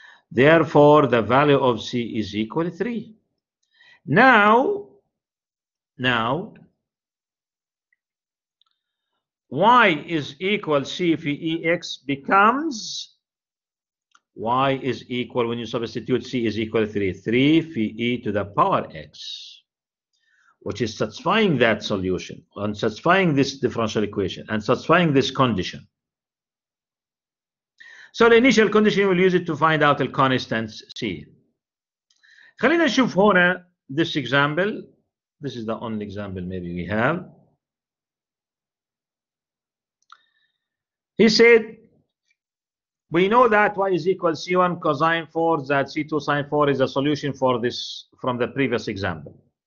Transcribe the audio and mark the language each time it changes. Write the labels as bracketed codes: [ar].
[en] Therefore, the value of c is equal to 3. Now, y is equal c phi e x becomes y is equal, when you substitute c is equal to 3, 3 phi e to the power x, which is satisfying that solution, and satisfying this differential equation, and satisfying this condition. So the initial condition, we'll use it to find out the constant c. [ar] خلينا نشوف هنا [en] this example. This is the only example maybe we have. He said, we know that y is equal c1 cosine 4, that c2 sine 4 is a solution for this from the previous example.